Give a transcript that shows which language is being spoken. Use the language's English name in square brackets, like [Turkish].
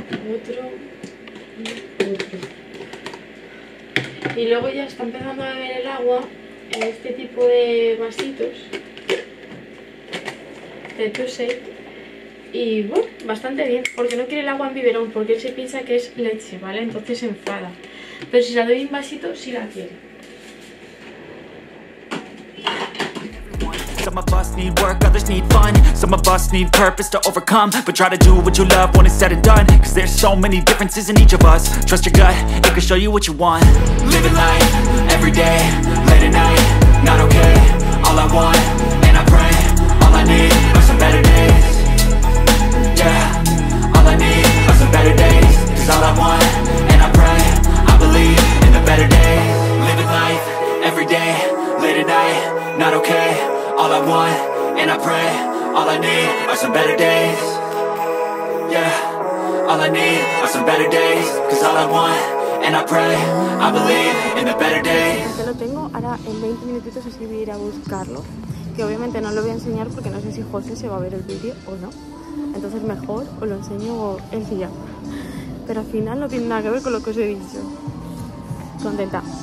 [Spanish] Otro y otro. Y luego ya está empezando a beber el agua en este tipo de vasitos. De Tusei. Y bueno, bastante bien. Porque no quiere el agua en biberón. Porque él se piensa que es leche, ¿vale? Entonces se enfada. Pero si la doy en vasito, sí la quiere. [English] Some of us need work, others need fun. Some of us need purpose to overcome. But try to do what you love when it's said and done. Cause there's so many differences in each of us. Trust your gut, it can show you what you want. Living life, every day, late at night, not okay. All I want, and I pray, all I need are some better days. Yeah, all I need are some better days. Cause all I want, and I pray, I believe in the better days. Living life, every day, not okay. All I want, and I pray, all I need are some better days. Yeah, all I need are some better days. Cause all I want, and I pray, I believe in the better days. [Spanish] Te lo tengo, ahora en 20 minutitos así voy a ir a buscarlo. Que obviamente no lo voy a enseñar porque no sé si José se va a ver el vídeo o no. Entonces mejor os lo enseño en silla. Pero al final no tiene nada que ver con lo que os he dicho. Contenta.